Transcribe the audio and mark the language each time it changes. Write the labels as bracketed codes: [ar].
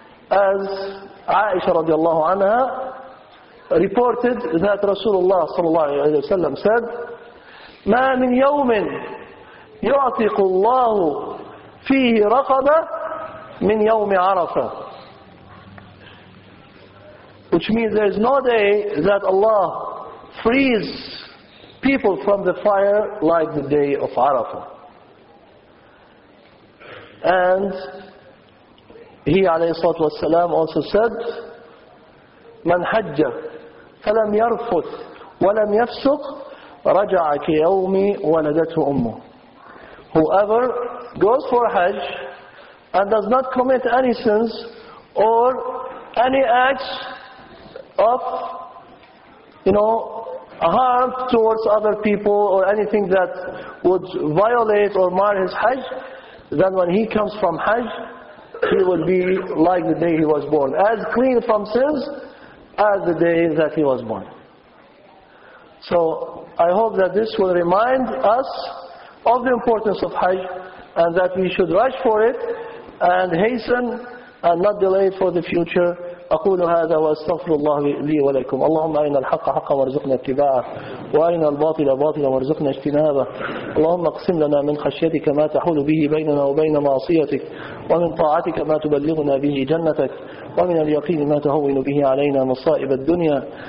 [en] As Aisha radiallahu anha reported that Rasulullah sallallahu alayhi wa sallam said, [ar] مَا مِنْ يَوْمٍ يُعْتِقُ اللَّهُ فِيهِ رَقَبَةً مِنْ يَوْمِ عَرَفَةً, [en] which means there is no day that Allah frees people from the fire like the day of Arafah. And he [ar] alayhi salatu wasalam [en] also said, [ar] مَنْ حَجَّ فَلَمْ يَرْفُثْ وَلَمْ يَفْسُقْ رَجَعَ كَيَوْمِ وَلَدَتْهُ أُمُّهُ. [en] Whoever goes for Hajj and does not commit any sins or any acts of, you know, harm towards other people or anything that would violate or mar his Hajj, then when he comes from Hajj, he will be like the day he was born, as clean from sins as the day that he was born. So I hope that this will remind us of the importance of Hajj, and that we should rush for it and hasten and not delay for the future. [ar] أقول هذا وأستغفر الله لي ولكم. اللهم أرنا الحق حقا وارزقنا اتباعه, وأرنا الباطل باطلا وارزقنا اجتنابه. اللهم اقسم لنا من خشيتك ما تحول به بيننا وبين معصيتك, ومن طاعتك ما تبلغنا به جنتك, ومن اليقين ما تهون به علينا مصائب الدنيا.